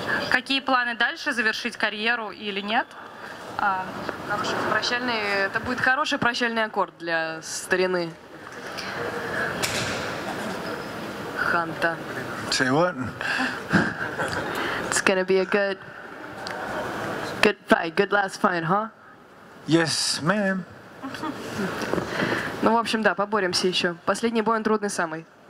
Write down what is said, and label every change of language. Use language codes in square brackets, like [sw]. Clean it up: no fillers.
[ru] Какие планы дальше, завершить карьеру или нет? Это будет хороший прощальный аккорд для старины Ханта. [en] Say what? It's gonna be a good fight, good last fight, huh? Yes, ma'am. [ru] Ну, в общем, да, поборемся еще. Последний бой, он трудный самый.